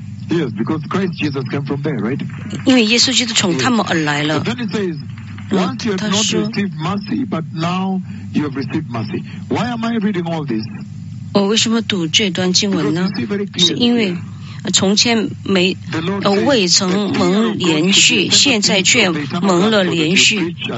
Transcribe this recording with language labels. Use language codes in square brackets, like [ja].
[en] Yes, because Christ Jesus came from there, right? [zh] 因为耶稣基督从他们而来了。 [en] Then it says, once you have not received mercy, but now you have received mercy. Why am I reading all this? [zh] 我为什么读这段经文呢？是因为从前没未曾蒙连续，现在却蒙了连续。